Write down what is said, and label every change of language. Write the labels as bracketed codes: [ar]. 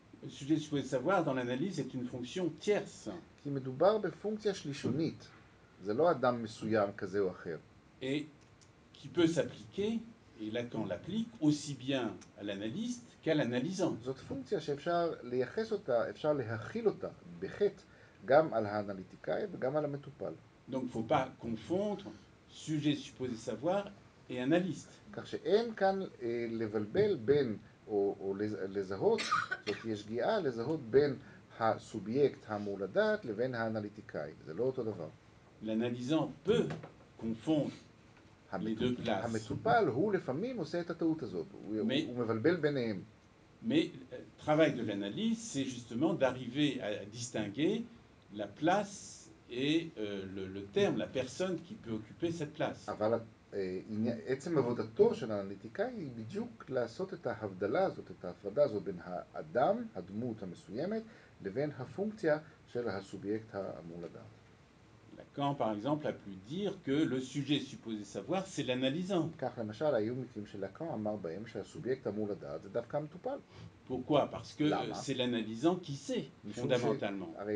[fr] Sujet supposé savoir dans l'analyse est une fonction tierce. [he] כי מדובר בפונקציה שלישונית, זה לא אדם מסוים כזה או אחר. [fr] Et qui peut s'appliquer, et Lacan l'applique aussi bien à l'analyste qu'à l'analysant. [he] זאת פונקציה שאפשר לייחס אותה, אפשר להכיל אותה בחטא, גם על האנליטיקאי וגם על המטופל. [fr] Donc faut pas confondre sujet supposé savoir et analyste. [he] כך שאין כאן לבלבל בין, או לזהות, זאת תהיה שגיאה, לזהות בין הסובייקט האמור לדעת לבין האנליטיקאי. זה לא אותו דבר. [fr] L'analysant peut confondre les deux places. [he] המטופל הוא לפעמים עושה את הטעות הזאת. הוא מבלבל ביניהם. [fr] Mais le travail de l'analyse, c'est justement d'arriver à distinguer la place et le terme, la personne qui peut occuper cette place. [he] אבל עצם עבודתו של האנליטיקאי היא בדיוק לעשות את ההבדלה הזאת, את ההפרדה הזאת בין האדם, הדמות המסוימת, לבין הפונקציה של הסובייקט האמור לדעת. [fr] quand par exemple a pu dire que le sujet supposé savoir c'est l'analysant. [he] כך למשל היו מקרים של לקאן אמר בהם שהסובייקט אמור לדעת זה דווקא מטופל. [fr] Pourquoi? Parce que c'est l'analysant qui sait, fondamentalement.